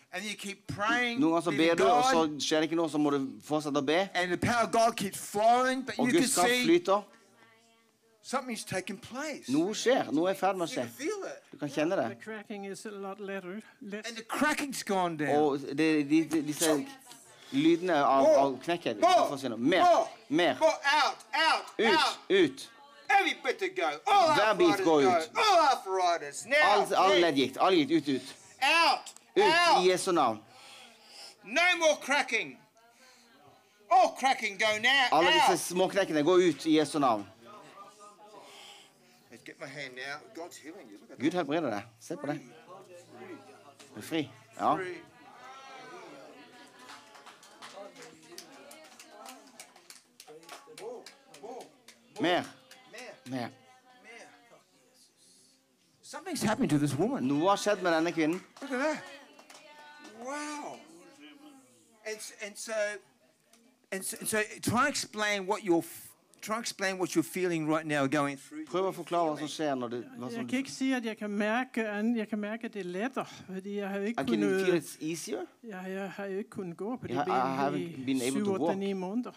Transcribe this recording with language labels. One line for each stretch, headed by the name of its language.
English: And you keep praying.
Norwegian: Noen ganger så ber du, og så skjer det ikke noe, så må du fortsette å be.
English: And the power of God keeps flowing, but you can see.
Norwegian: Og Guds kraft flyter.
English: Something's taking place.
Norwegian: Noe skjer. Noe ferdig med å skje.
English: You can feel it.
Norwegian: Du kan kjenne det.
English: The cracking is a lot lighter. And the cracking's gone down.
Norwegian: Og disse lydene av knekket. Mer.
English: Out.
Norwegian: Ut.
English: Every bit to go. All arthritis go. All arthritis. Now.
Norwegian: All ledgikt. All gitt. Ut.
English: Out.
Norwegian: Ut, I Jesu navn.
English: No more cracking. All cracking go now.
Norwegian: Alle disse små knekkene går ut I Jesu navn.
English: Let's get my hand now. God's healing you. Look at
Norwegian: Gud helbreder deg. Se på det. Du fri. Ja. Mer.
English: Something's happened to this woman.
Norwegian: Noe har skjedd med denne kvinnen.
English: Look at that. And so try explain what you're feeling right now going through.
Norwegian: Prøv å forklare hva som skjer når du hva som Jeg kan ikke si at jeg kan merke det letter, fordi jeg har ikke kunnet.
English: I can feel it's easier.
Norwegian: Jeg har ikke kunnet gå på det benet.
English: I haven't been able to walk